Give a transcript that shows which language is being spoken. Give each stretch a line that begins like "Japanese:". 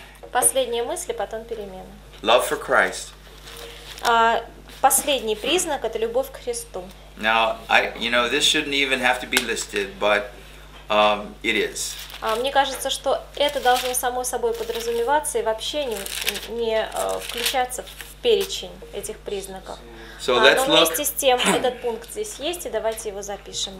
Russian: Последние мысли, потом перемены.
English: Love for Christ.
Russian: Последний признак – это любовь к Христу.
English: Now, this shouldn't even have to be listed, but it is.
Russian: Мне кажется, что это должно само собой подразумеваться и вообще не включаться в перечень этих признаков.
English: So let's
Russian: но вместе с тем, этот пункт здесь есть, и давайте его запишем.